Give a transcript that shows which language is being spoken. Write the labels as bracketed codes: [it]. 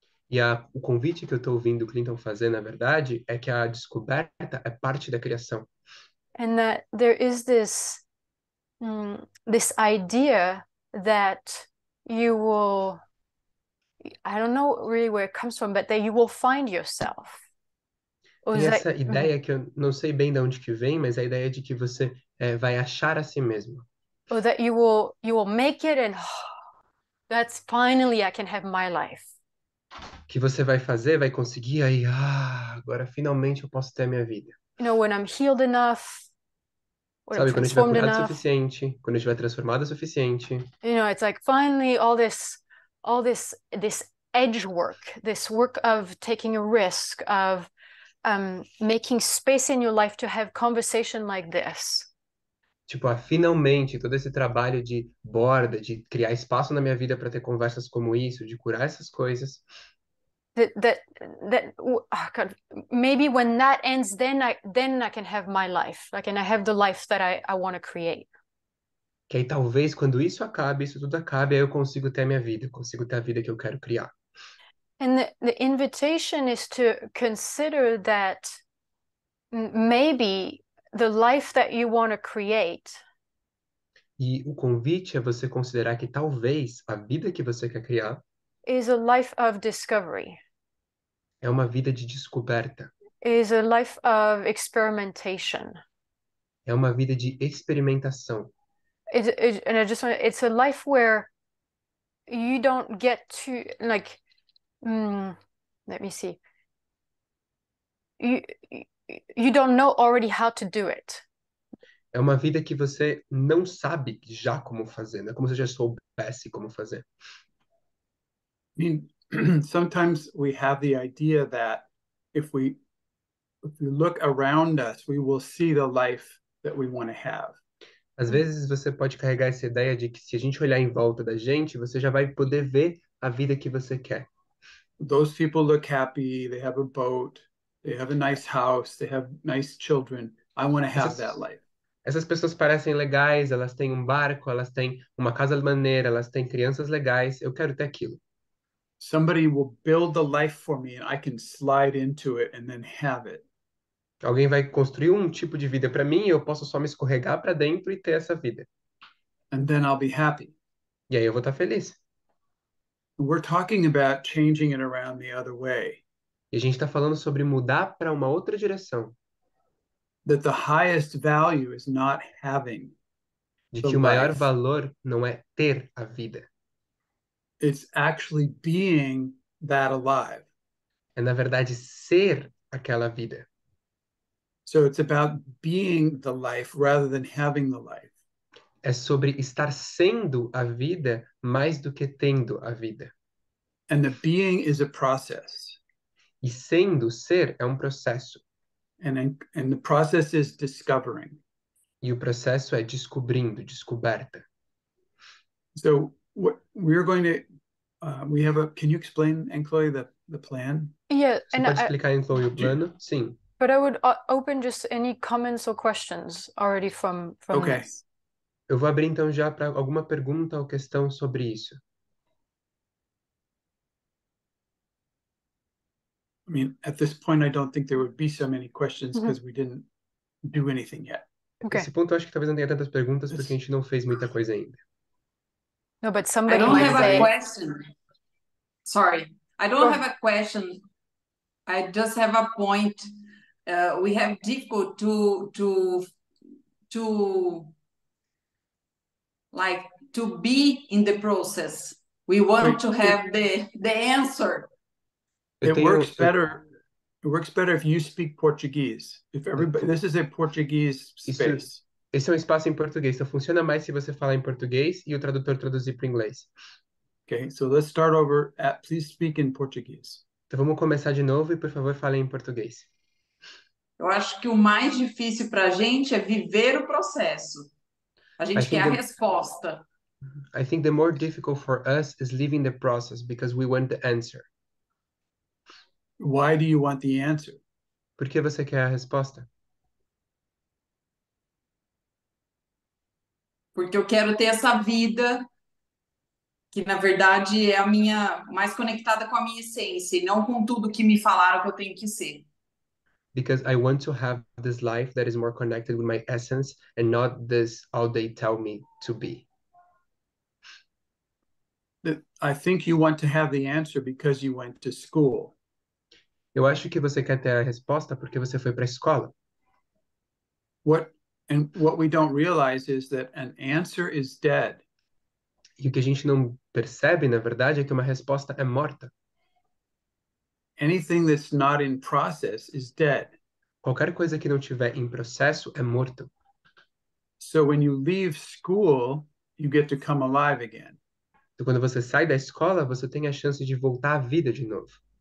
[pt] E o convite que eu estou ouvindo o Clinton fazer, na verdade, é que a descoberta é parte da criação. [en] And that there is this, this idea that you will, I don't know really where it comes from, but that you will find yourself. [pt] Tem essa ideia que eu não sei bem de onde que vem, mas a ideia de que você vai achar a si mesmo. [en] Or that you will make it and that's finally I can have my life. [pt] Que você vai fazer, vai conseguir, aí, agora finalmente eu posso ter a minha vida. [en] You know, when I'm healed enough, when [pt] Sabe, [en] I'm [pt] quando eu tiver curado [en] enough, [pt] o suficiente, quando eu tiver transformado o suficiente. [en] You know, it's like finally all this edge work, this work of taking a risk, of making space in your life to have conversation like this. [pt] Tipo, finalmente, todo esse trabalho de borda, de criar espaço na minha vida para ter conversas como isso, de curar essas coisas. [en] That oh God, maybe when that ends, then I can have my life. Like, and I have the life that I want to create. [pt] Que aí talvez quando isso tudo acabe, aí eu consigo ter a minha vida, consigo ter a vida que eu quero criar. [en] And the invitation is to consider that maybe the life that you want to create. [pt] E o convite é você considerar que talvez a vida que você quer criar [en] Is a life of discovery. [pt] é uma vida de descoberta. [en] Is a life of experimentation. [pt] É uma vida de experimentação. [en] It's a life where you don't get to, like, let me see. You don't know already how to do it. [pt] É uma vida que você não sabe já como fazer, né? Como se já soubesse como fazer. [en] I mean, sometimes we have the idea that if we look around us, we will see the life that we want to have. [pt] Às vezes você pode carregar essa ideia de que se a gente olhar em volta da gente, você já vai poder ver a vida que você quer. [en] Those people look happy, they have a boat, they have a nice house, they have nice children. I want to have that life. [pt] Essas pessoas parecem legais, elas têm um barco, elas têm uma casa maneira, elas têm crianças legais, eu quero ter aquilo. [en] Somebody will build the life for me and I can slide into it and then have it. [pt] Alguém vai construir um tipo de vida para mim e eu posso só me escorregar para dentro e ter essa vida. [en] And then I'll be happy. [pt] E aí eu vou estar feliz. [en] We're talking about changing it around the other way. [pt] E a gente está falando sobre mudar para uma outra direção. [en] That the highest value is not having [pt] De [en] the [pt] que o maior [en] life. [pt] valor não é ter a vida. [en] It's actually being that alive. [pt] É, na verdade, ser aquela vida. [en] So it's about being the life rather than having the life. [pt] É sobre estar sendo a vida mais do que tendo a vida. [en] And the being is a process. [pt] E sendo, ser, é um processo. [en] And the process is discovering. [pt] E o processo é descobrindo, descoberta. [en] So what we're going to we have a can you explain, Chloe, the plan? Yeah, [pt] Você pode explicar, Chloe, o plano? [en] You, [pt] Sim. [en] But I would open just any comments or questions already from okay. This. [pt] Eu vou abrir então já para alguma pergunta ou questão sobre isso. [en] I mean, at this point I don't think there would be so many questions because we didn't do anything yet. Okay. [pt] Nesse ponto, eu acho que talvez não tenha tantas perguntas porque a gente não fez muita coisa ainda. [en] No, but somebody I don't might have say a question. Sorry. I don't have a question. I just have a point. We have difficult to be in the process. We want to have the answer. It works better if you speak Portuguese. If everybody, this is a Portuguese space. [pt] Esse é um espaço em português. Então funciona mais se você falar em português e o tradutor traduzir para inglês. [en] Okay, so let's start over. Please speak in Portuguese. [pt] Então vamos começar de novo e, por favor, fale em português. Eu acho que o mais difícil para a gente é viver o processo. A gente quer a resposta. [en] I think the more difficult for us is living the process because we want the answer. Why do you want the answer? [pt] Por que você quer a resposta? Porque eu quero ter essa vida que, na verdade, é a minha mais conectada com a minha essência e não com tudo que me falaram que eu tenho que ser. [en] Because I want to have this life that is more connected with my essence and not this all they tell me to be. I think you want to have the answer because you went to school. [pt] Eu acho que você quer ter a resposta porque você foi para a escola. [en] What we don't realize is that an answer is dead. [pt] E o que a gente não percebe, na verdade, é que uma resposta é morta. [en] Anything that's not in process is dead. [pt] Qualquer coisa que não tiver em processo é morto. [en] So when you leave school, you get to come alive again. [pt] Então, quando você sai da escola, você tem a chance de voltar à vida de novo.